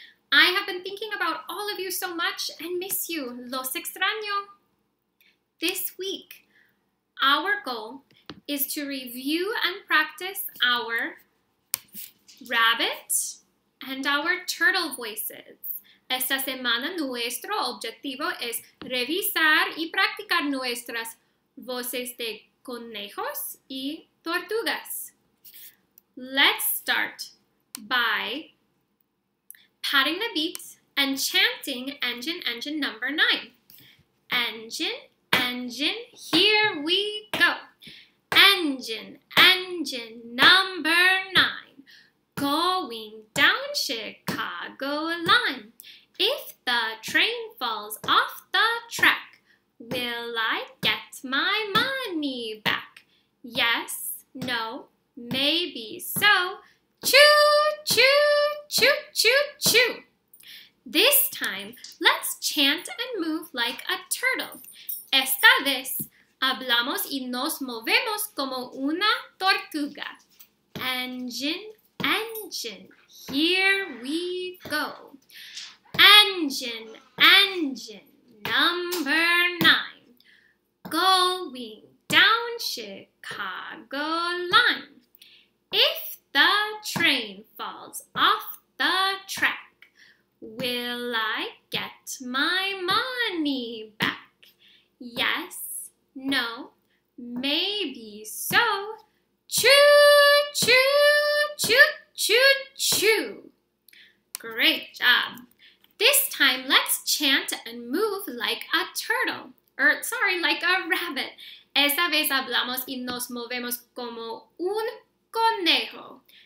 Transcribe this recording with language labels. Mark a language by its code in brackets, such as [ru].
[en] I have been thinking about all of you so much and miss you. [es] Los extraño. [en] This week, our goal is to review and practice our rabbit and our turtle voices. [es] Esta semana, nuestro objetivo es revisar y practicar nuestras voces de conejos y tortugas. [en] Let's start by patting the beat and chanting engine, engine number 9. Engine, engine, here we go. Engine, engine number 9. Going down Chicago line. If the train falls off the track, will I get my money back? Yes, no, maybe so. Choo, choo, choo, choo, choo. This time, let's chant and move like a turtle. [es] Esta vez, hablamos y nos movemos como una tortuga. [en] Engine, engine, here we go. Engine, engine, number 9. Going down Chicago line. If the train falls off the track, will I get my money back? Yes, no, maybe so. Choo, choo, choo, choo, choo. Great job. This time, let's chant and move like a turtle. Like a rabbit. [es] Esa vez hablamos y nos movemos como un conejo.